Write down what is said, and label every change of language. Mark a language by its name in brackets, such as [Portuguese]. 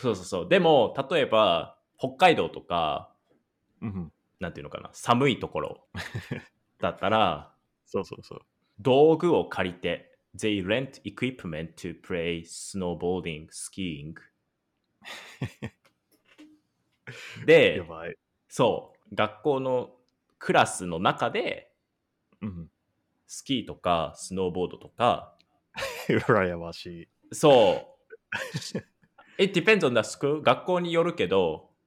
[Japanese] そうそうそう。でも、例えば、北海道とか、なんていうのかな、寒いところだったら、そうそうそう。道具を借りて、 [English] they rent equipment to play snowboarding, skiing. [Japanese] で、そう、学校のクラスの中で、うん、スキーとかスノーボードとか、羨ましい。 [English] そう。It depends on the school. [Japanese] 学校によるけど、